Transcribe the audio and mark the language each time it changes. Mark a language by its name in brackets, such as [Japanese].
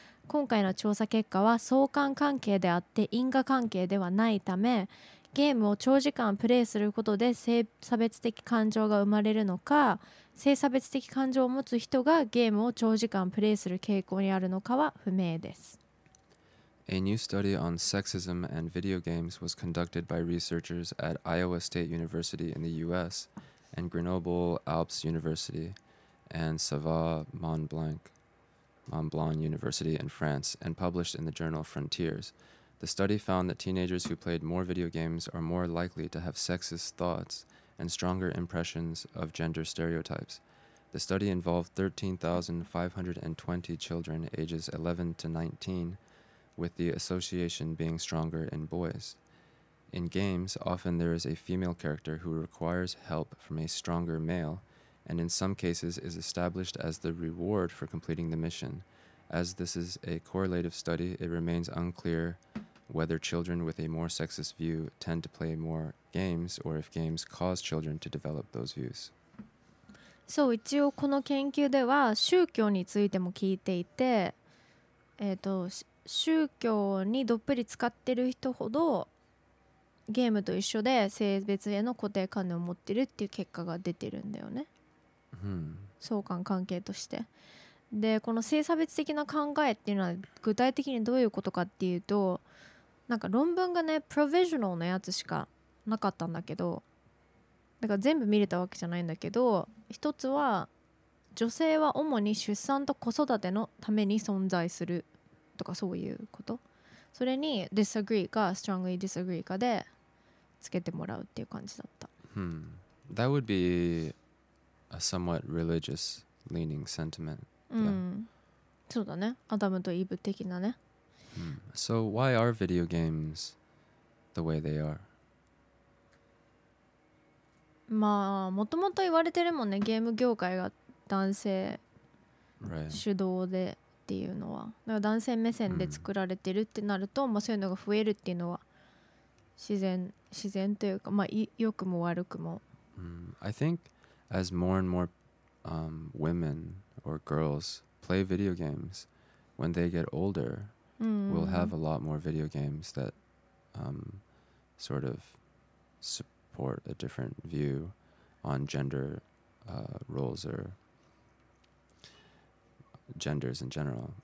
[Japanese] 今回の調査結果は相関関係であって因果関係ではないため、ゲームを長時間プレイすることで性差別的感情が生まれるのか、性差別的感情を持つ人がゲームを長時間プレイする傾向にあるのかは不明です。 [English] A new study on sexism and video games was conducted by researchers at Iowa State University in the USand Grenoble Alps University and Savoie Mont Blanc University in France and published in the journal Frontiers. The study found that teenagers who played more video games are more likely to have sexist thoughts and stronger impressions of gender stereotypes. The study involved 13,520 children ages 11 to 19, with the association being stronger in boys. In games, often there is a female character who requires help from a stronger male, and in some cases is established as the reward for completing the mission. As this is a correlative study, it remains unclear whether children with a more sexist view tend to play more games or if games cause children to develop those views. [Japanese] そう、一応この研究では宗教についても聞いていて、宗教にどっぷり使ってる人ほどゲームと一緒で性別への固定観念を持ってるっていう結果が出てるんだよね、相関関係として。で、この性差別的な考えっていうのは具体的にどういうことかっていうと、なんか論文がね、プロビジョナルのやつしかなかったんだけど、だから全部見れたわけじゃないんだけど、一つは女性は主に出産と子育てのために存在するとかそういうこと、それに disagree か strongly disagree かでつけてもらうっていう感じだった。 [English] That would be a somewhat religious leaning sentiment、 [Japanese] そうだね、アダムとイブ的なね、 [English] So why are video games the way they are? [Japanese] まあ、もともと言われてるもんね、ゲーム業界が男性主導でっていうのは、だから男性目線で作られてるってなると、まあ、そういうのが増えるっていうのは自然というか、まあ、良くも悪くも、 [English] I think as more and more、women or girls play video games when they get older、we'll have a lot more video games that、sort of supporta different view on gender、roles or genders in general.